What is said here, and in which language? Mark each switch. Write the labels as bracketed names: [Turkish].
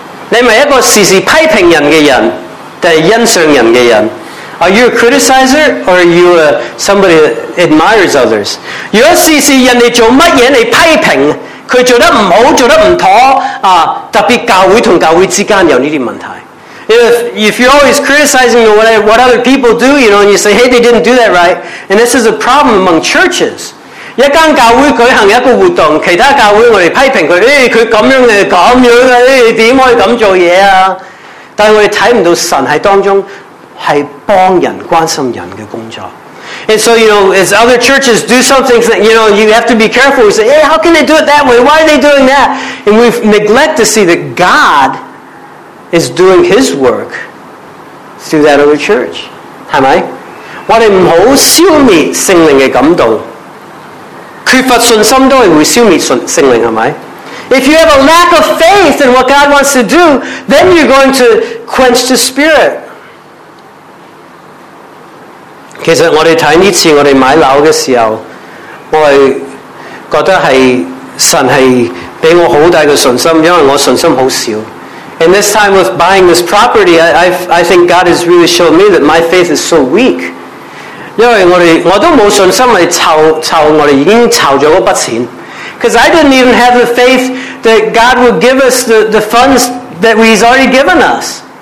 [Cantonese] 你不是一个时时批评人的人，但是欣赏人的人。 [English] Are you a criticizer or are you somebody that admires others? [Cantonese] 若事事人家做什麼你批評, 他做得不好,做得不妥,特別教會和教會之間有這些問題。 [English] If you're always criticizing what other people do, you know, and you say, hey, they didn't do that right, and this is a problem among churches. [Cantonese] 一間教會舉行一個活動, 其他教會我們批評他, 他這樣,你怎麼可以這樣做事啊? 但我們看不到神在當中, 是幫人關心人的工作。 [English] And so, you know, as other churches do something, you know, you have to be careful. We say, hey, how can they do it that way? Why are they doing that? And we neglect to see that God is doing His work through that other church. Am I? [Cantonese] 我们不要消灭圣灵的感动, 缺乏信心都会消灭圣灵, [English] am I? If you have a lack of faith in what God wants to do, then you're going to quench the Spirit. [Cantonese] 其實我們看這次我們買樓的時候，我覺得神是給我很大的信心，因為我信心很少。 [English] And this time with buying this property, I think God has really shown me that my faith is so weak. [Cantonese] 因為我都沒有信心去籌我們已經籌了那筆錢。 [English] Because I didn't even have the faith that God would give us the funds that He's already given us.